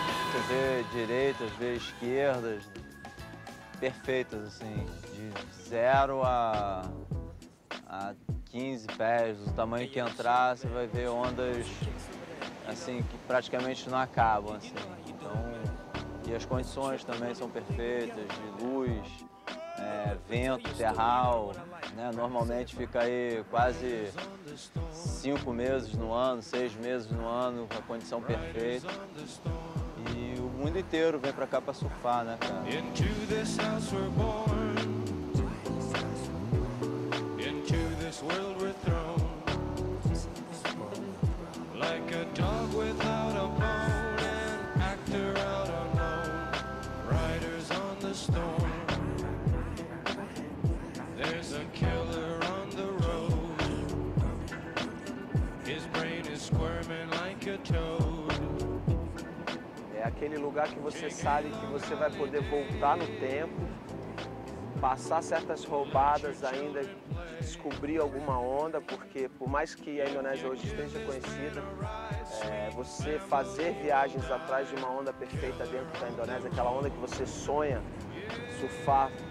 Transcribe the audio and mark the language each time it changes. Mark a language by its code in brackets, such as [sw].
[pt] Você vê direitas, vê esquerdas, perfeitas, assim, de 0 a 15 pés, do tamanho que entrar, você vai ver ondas, assim, que praticamente não acabam, assim, então, e as condições também são perfeitas, de luz, vento, terral, né, normalmente fica aí quase 5 meses no ano, 6 meses no ano, com a condição perfeita. O mundo inteiro vem pra cá pra surfar, né, cara? [en] Into this house we're born. Into this world we're thrown. Like a dog without a bone. An actor out on loan. Riders on the storm. There's a killer on the road. His brain is squirming like a toad. [pt] É aquele lugar que você sabe que você vai poder voltar no tempo, passar certas roubadas ainda, descobrir alguma onda, porque por mais que a Indonésia hoje esteja conhecida, você fazer viagens atrás de uma onda perfeita dentro da Indonésia, aquela onda que você sonha surfar